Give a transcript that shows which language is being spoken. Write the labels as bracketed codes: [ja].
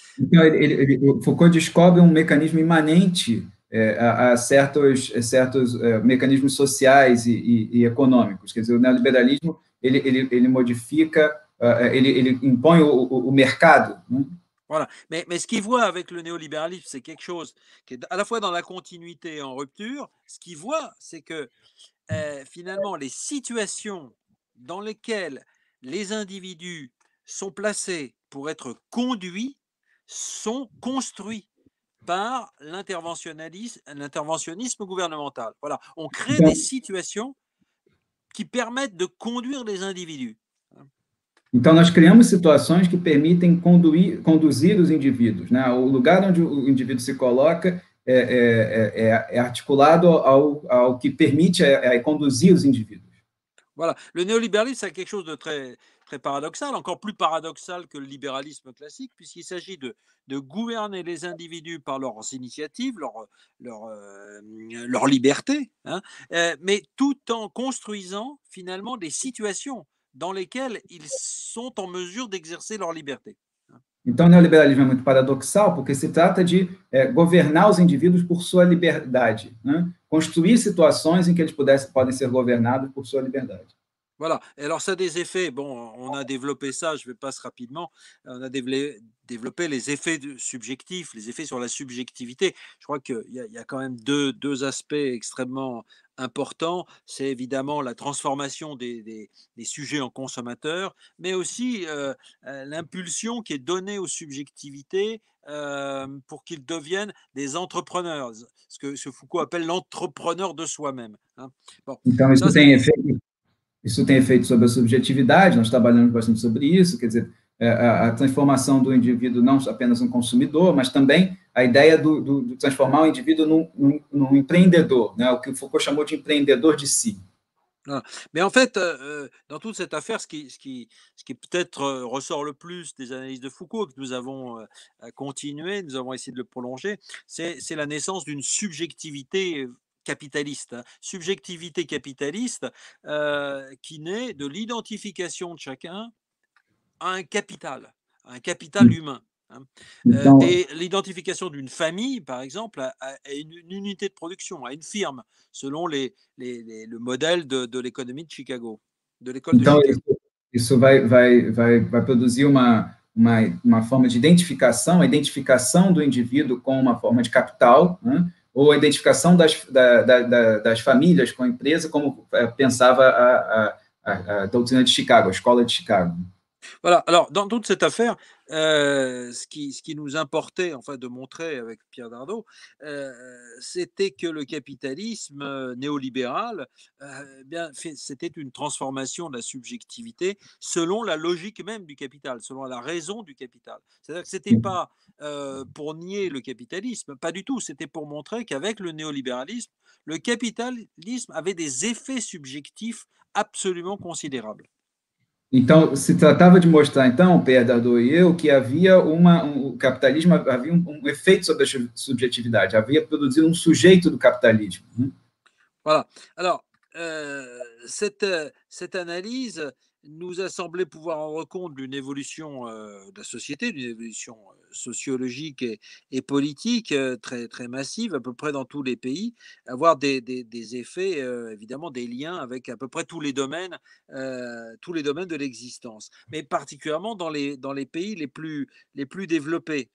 [pt] Então, Foucault descobre um mecanismo imanente a certos mecanismos sociais e econômicos. Quer dizer, o neoliberalismo ele modifica, ele impõe o mercado, né? [fr] Voilà. Mais ce qu'il voit avec le néolibéralisme, c'est quelque chose qui est à la fois dans la continuité et en rupture. Ce qu'il voit, c'est que finalement, les situations dans lesquelles les individus sont placés pour être conduits sont construits par l'interventionnisme gouvernemental. Voilà. On crée des situations qui permettent de conduire les individus. [pt] Então, nós criamos situações que permitem conduzir os indivíduos. Né? O lugar onde o indivíduo se coloca é articulado ao que permite conduzir os indivíduos. [fr] Voilà. Le néolibéralisme, c'est quelque chose de très, très paradoxal, encore plus paradoxal que le libéralisme classique, puisqu'il s'agit de gouverner les individus par leurs initiatives, leur liberté, hein? Mais tout en construisant finalement des situations dans lesquels ils sont en mesure d'exercer leur liberté. [pt] Então, o neoliberalismo é muito paradoxal, porque se trata de governar os indivíduos por sua liberdade, né? Construir situações em que eles podem ser governados por sua liberdade. [fr] Voilà. Alors, ça a des effets. Bon, on a développé ça, je vais passer rapidement. On a développé les effets subjectifs, les effets sur la subjectivité. Je crois qu'il y a quand même deux aspects extrêmement importants. C'est évidemment la transformation des sujets en consommateurs, mais aussi l'impulsion qui est donnée aux subjectivités pour qu'ils deviennent des entrepreneurs. Ce que Foucault appelle l'entrepreneur de soi-même. Hein? Bon, donc, ça, c'est un effet. [pt] Isso tem efeito sobre a subjetividade, nós trabalhamos bastante sobre isso, quer dizer, a transformação do indivíduo não apenas um consumidor, mas também a ideia de transformar o indivíduo num empreendedor, né? O que o Foucault chamou de empreendedor de si. [fr] Ah, mais en fait, dans toute cette affaire, ce qui peut-être ressort le plus des analyses de Foucault, que nous avons continué, nous avons essayé de le prolonger, c'est la naissance d'une subjectivité capitaliste, hein. Subjectivité capitaliste qui naît de l'identification de chacun à un capital humain. Hein. Et l'identification d'une famille, par exemple, à une unité de production, à une firme, selon le modèle de l'économie de Chicago, de l'école [pt] então, [fr] de Chicago. [pt] Isso vai produzir uma forma de identificação, a identificação do indivíduo com uma forma de capital, né? Ou a identificação das famílias com a empresa, como pensava a doutrina de Chicago, a escola de Chicago. [fr] Voilà. Alors, dans toute cette affaire, ce qui nous importait en fait, de montrer avec Pierre Dardot, c'était que le capitalisme néolibéral, c'était une transformation de la subjectivité selon la logique même du capital, selon la raison du capital. C'est-à-dire que ce n'était pas pour nier le capitalisme, pas du tout, c'était pour montrer qu'avec le néolibéralisme, le capitalisme avait des effets subjectifs absolument considérables. [pt] Então, se tratava de mostrar, então, Pierre Dardot e eu, que havia o capitalismo havia um efeito sobre a subjetividade, havia produzido um sujeito do capitalismo. [fr] Voilà. Alors, cette analyse nous a semblé pouvoir rendre compte d'une évolution de la société, d'une évolution sociologique et politique très, très massive, à peu près dans tous les pays, avoir des effets, évidemment, des liens avec à peu près tous les domaines de l'existence, mais particulièrement dans les pays les plus développés.